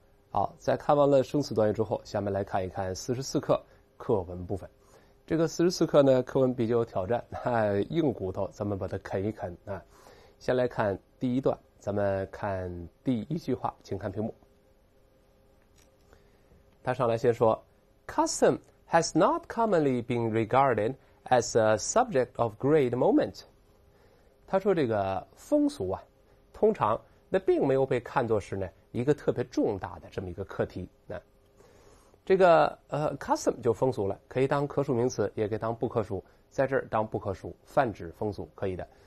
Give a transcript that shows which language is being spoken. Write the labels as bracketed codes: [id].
[zh] 好，在看完了生词短语之后，下面来看一看44课课文部分。这个44课呢，课文比较有挑战，那硬骨头，咱们把它啃一啃啊。先来看第一段，咱们看第一句话，请看屏幕。他上来先说 [en] ，Custom has not commonly been regarded as a subject of great moment。 [zh] 他说这个风俗啊，通常那并没有被看作是呢一个特别重大的这么一个课题。那这个custom 就风俗了，可以当可数名词，也可以当不可数，在这儿当不可数，泛指风俗，可以的。